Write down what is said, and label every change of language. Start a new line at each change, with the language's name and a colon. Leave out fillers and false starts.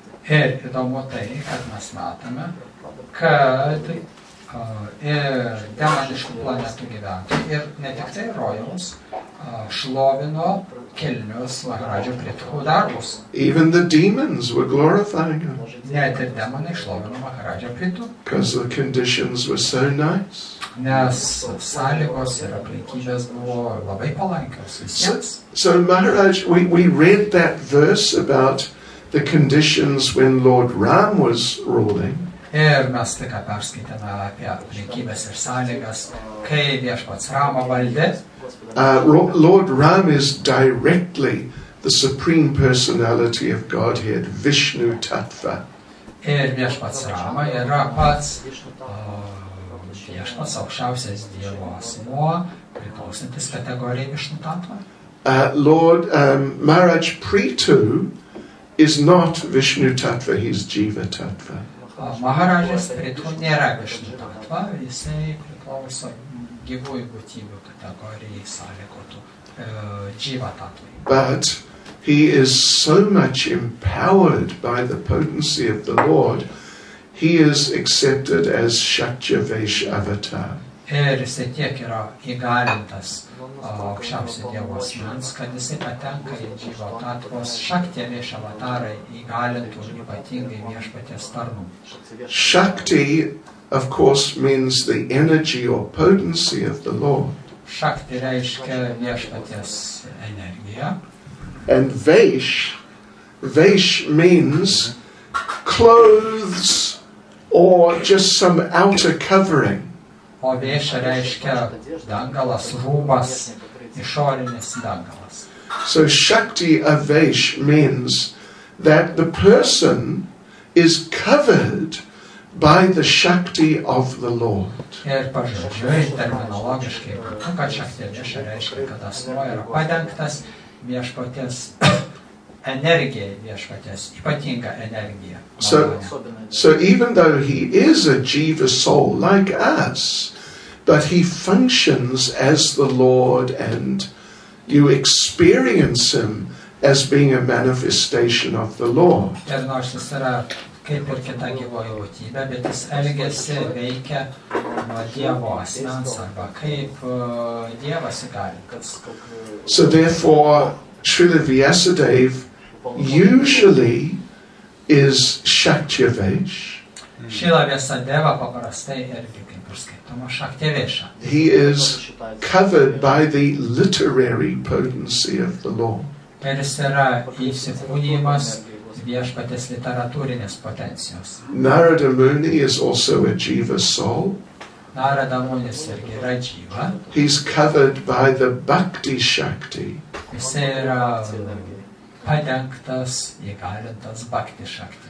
Lithuanian: Ir įdomu tai, kad mes matome, kad ir demoniškų planetų gyventojai ir ne tik tai rojaus šlovino kilnius Maharadžio Preetu darbus.
English: Even the demons were glorifying him.
Lithuanian: Net ir demonai šlovino Maharadžio Preetu.
English: Because the conditions were so nice.
Lithuanian: Nes sąlygos ir aplinkybės buvo labai palankios visiems.
English: So Maharaj, we read that verse about the conditions when Lord Ram was ruling.
Lithuanian: Ir mes tik perskaitėme apie aplinkybės ir sąlygas, kai viešpats Rama valdė.
English: Lord Ram is directly the supreme personality of Godhead, Vishnu Tattva.
Lithuanian: Ir viešpats Rama yra pats viešpats aukščiausias dievo asmuo, priklausantis kategorijai Vishnu Tattva.
English: Lord Maharaj Preetu is not Vishnu Tattva, he's Jiva Tattva.
Lithuanian: Maharajas Preetu nėra Vishnu Tattva, jisai priklauso gyvųjų būtybių kategorijai sąlygotų Jiva Tattva.
English: But he is so much empowered by the potency of the Lord, he is accepted as Shakyavesh Avatar.
Lithuanian: Ir jisai tiek yra įgalintas aukščiausio dievo asmens, kad jisai patenka į Jiva Tattvos Shakyavesh Avatarą įgalintų ypatingai viešpaties tarnų.
English: Shakti, of course, means the energy or potency of the Lord.
Lithuanian: Shakti reiškia viešpaties energija.
English: And Vesh, Vesh means clothes or just some outer covering.
Lithuanian: O Vesh reiškia dangalas, rūbas, išorinis dangalas.
English: So Shakti of Vesh means that the person is covered by the Shakti of the Lord.
Lithuanian: Ir pažodžiui, terminologiškai, kad Shakti of Vesh reiškia, kad asmuo yra padengtas viešpaties energija, viešpaties ypatinga energija.
English: So even though he is a jiva soul like us, but he functions as the Lord and you experience him as being a manifestation of the Lord.
Lithuanian: Ir nors jis yra kaip ir kita gyvoji būtybė, bet jis elgiasi, veikia nuo Dievo asmens arba kaip Dievas įgalintas.
English: So therefore, Srila Vyasadeva usually is Shaktyavesh.
Lithuanian: Srila Vyasadeva paprastai irgi kaip ir skaitoma Shaktyavesha.
English: He is covered by the literary potency of the Lord.
Lithuanian: Ir jis yra įsikūnijimas viešpatės literatūrinės potencijos.
English: Narada Muni is also a jiva soul.
Lithuanian: Narada Munis irgi yra jiva.
English: He's covered by the bhakti shakti.
Lithuanian: Jis yra padengtas, įgalintas bhakti shakti.